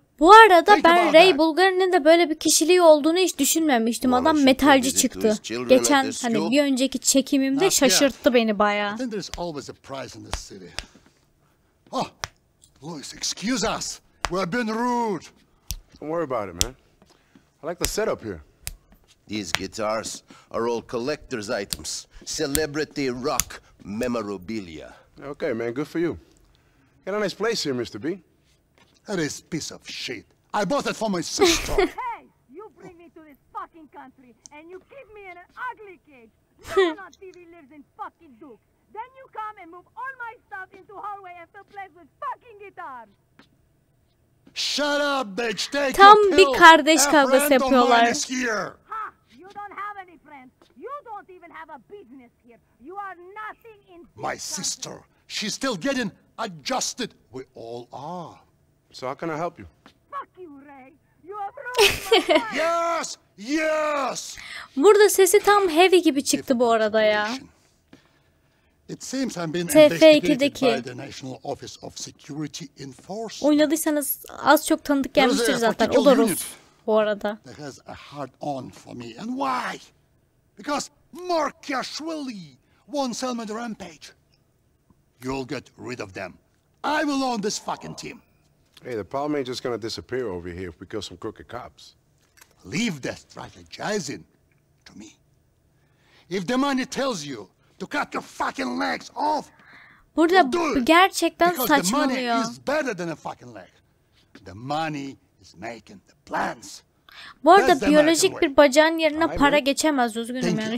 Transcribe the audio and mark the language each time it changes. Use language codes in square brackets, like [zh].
[tr] Bu arada ben Ray Bulgari'nin de böyle bir kişiliği olduğunu hiç düşünmemiştim. Adam metalci çıktı. Geçen hani bir önceki çekimimde şaşırttı beni bayağı. [en] There is always a prize in this city. Oh, Louis, excuse us. We have been rude. Don't worry about it, man. I like the setup here. These guitars are all collector's items. Celebrity rock memorabilia. Okay, man, good for you. Got a nice place here, Mr. B. That is piece of shit. I bought it for my sister. Hey, you bring me to this fucking country and you keep me in an ugly cage. No one on TV lives in fucking Duke. Then you come and move all my stuff into hallway and fill place with fucking guitars. Shut up, bitch. Take tam your pill. [tr] Bir kardeş kavgası yapıyorlar. [en] Ha, you don't have any friends. You don't even have a business here. You are nothing in this my country. Sister, she's still getting adjusted. We all are. So how can I help you? Fuck you, Ray. You have ruined my life. Yes, yes. [tr] Burada sesi tam heavy gibi çıktı bu arada ya. [en] It seems I'm being investigated by the National Office of Security Enforce. [tr] Oynadıysanız az çok tanıdık gelmiştir zaten. O da Rus bu arada. [en] That has a hard on for me. And why? Because Markyashvili won Selma the Rampage. You'll get rid of them. I will own this fucking team. Hey, the problem ain't just gonna disappear over here if we kill some crooked cops. Leave that strategizing to me. If the money tells you to cut your fucking legs off, [tr] burada [en] do it. [tr] Gerçekten [en] because [tr] saçmalıyor. [en] The money is better than a fucking leg. The money is making the plans. [tr] Bu arada biyolojik bir bacağın yerine para geçemez, üzgünüm yani.